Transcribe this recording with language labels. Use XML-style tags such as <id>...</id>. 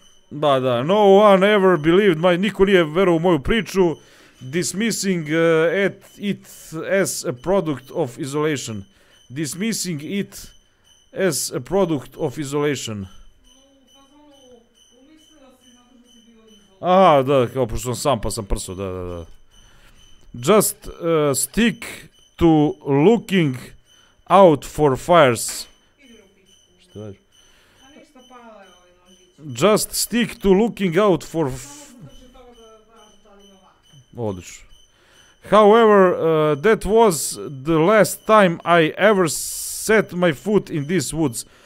<sr>Da, da,</sr> <en>no one ever believed my...</en> <sr>Niko nije verao u moju priču.</sr> <en>Dismissing it as a product of isolation. dismissing it as a product of isolation.</en> <sr>Aha, da, kao pošto sam sam pa sam prso, da.</sr> <en>Just stick to looking out for fires.</en> <sr>Šta daš?</sr> <en>Just stick to looking out for...</en> <sr>Odlično.</sr> <en>However, that was the last time I ever set my foot in these woods.</en>